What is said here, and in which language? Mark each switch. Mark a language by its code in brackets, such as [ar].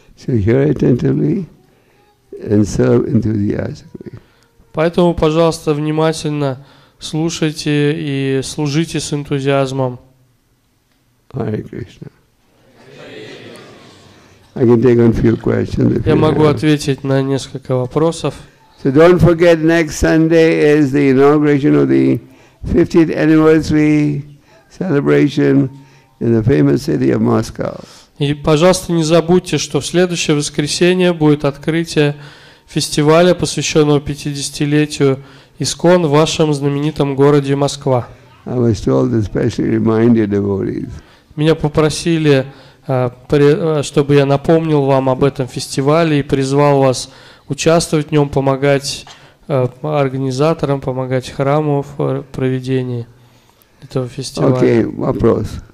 [en] So hear attentively and serve enthusiastically. [ru] Поэтому, пожалуйста, внимательно слушайте и служите с энтузиазмом. [en] Hare Krishna. I can take on a few questions. [ru] Я могу ответить на несколько вопросов. [en] So don't forget, next Sunday is the inauguration of the 50th anniversary celebration in the famous city of Moscow. [ru] И, пожалуйста, не забудьте, что в следующее воскресенье будет открытие фестиваля, посвященного 50-летию ИСККОН в вашем знаменитом городе Москва. [en] I was told to specially remind your devotees. [ru] Меня попросили, чтобы я напомнил вам об этом фестивале и призвал вас участвовать в нем, помогать организаторам, помогать храму в проведении этого фестиваля. Окей, okay, вопрос.